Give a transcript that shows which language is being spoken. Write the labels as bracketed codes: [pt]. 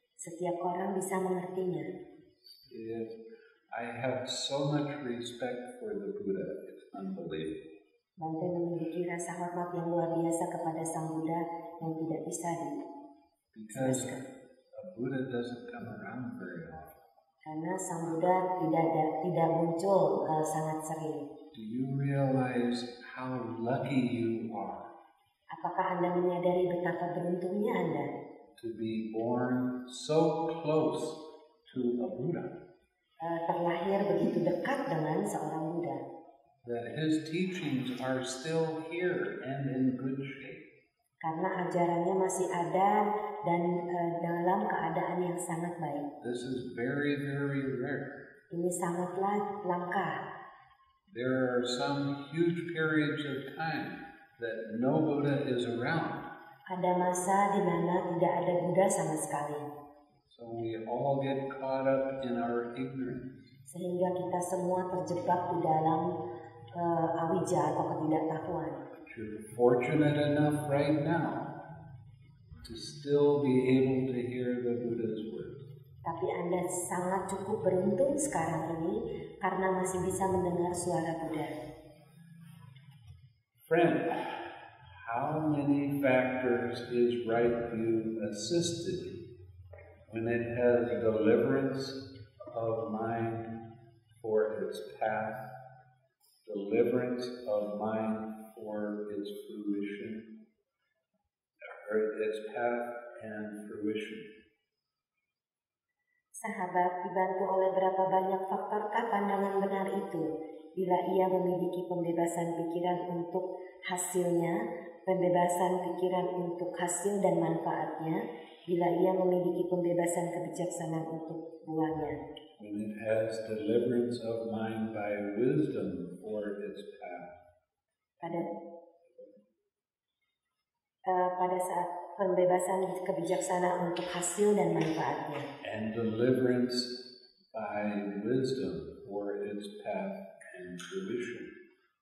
[id] Setiap orang bisa mengertinya. [en] Yes, I have so much respect for the Buddha. It's unbelievable. [id] Bante memiliki rasa hormat yang luar biasa kepada Sang Buddha yang tidak bisa dijelaskan. [en] Because a Buddha doesn't come around very often. [id] Karena Sang Buddha tidak muncul sangat sering. [en] Do you realize how lucky you are? [id] Apakah Anda menyadari betapa beruntungnya Anda? [en] to be born so close to a Buddha. [id] Terlahir begitu dekat dengan seorang Buddha. [en] That his teachings are still here and in good shape. [id] Karena ajarannya masih ada dan dalam keadaan yang sangat baik. [en] This is very, very rare. [id] Ini sangatlah langka. [en] There are some huge periods of time that no Buddha is around. [id] Ada masa di mana tidak ada Buddha sama sekali. [en] So we all get caught up in our ignorance. [id] Sehingga kita semua terjebak di dalam awija atau ketidaktahuan. [en] You're fortunate enough right now to still be able to hear the Buddha's words. [id] Tapi Anda sangat cukup beruntung sekarang ini karena masih bisa mendengar suara Buddha. [en] Friend, how many factors is right view assisted when it has deliverance of mind for its path, deliverance of mind for its fruition, or its path and fruition? [id] Sahabat, dibantu oleh berapa banyak faktorkah pandangan benar itu bila ia memiliki pembebasan pikiran untuk hasilnya, pembebasan pikiran untuk hasil dan manfaatnya, bila ia memiliki pembebasan kebijaksanaan untuk buahnya. [en] When it has deliverance of mind by wisdom for its path. [id] Pada saat pembebasan kebijaksanaan untuk hasil dan manfaatnya. [en] And deliverance by wisdom for its path and fruition.